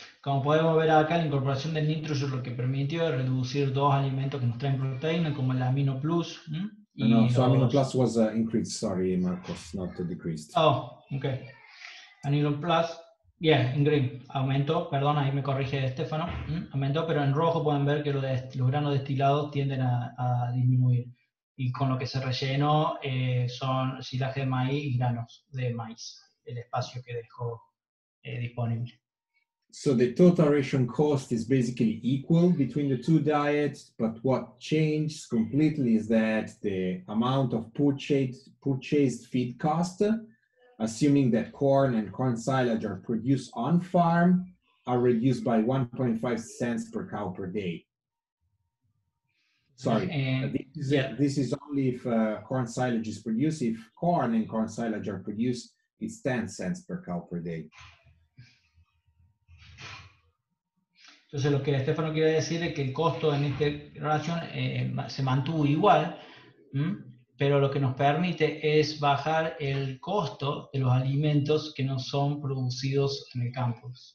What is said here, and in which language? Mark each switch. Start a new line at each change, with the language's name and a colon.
Spanish: Como podemos ver acá, la incorporación del NitroSure lo que permitió es reducir dos alimentos que nos traen proteína, como el amino plus.
English: Amino plus was increased, sorry, Marcos, not decreased. Oh, okay.
Spanish: Amino plus, en green, aumentó, perdón, ahí me corrige Estefano, aumentó, pero en rojo pueden ver que los granos destilados tienden a disminuir. Y con lo que se rellenó son silaje de maíz y granos de maíz, el espacio que dejó disponible.
English: So the total ration cost is basically equal between the two diets, but what changed completely is that the amount of purchased feed cost, assuming that corn and corn silage are produced on farm, are reduced by 1.5 cents per cow per day. Sorry, this is only if corn silage is produced. If corn and corn silage are produced, it's 10 cents per cow per day.
Spanish: Entonces, lo que Estefano quiere decir es que el costo en esta relación se mantuvo igual, pero lo que nos permite es bajar el costo de los alimentos que no son producidos en el campo.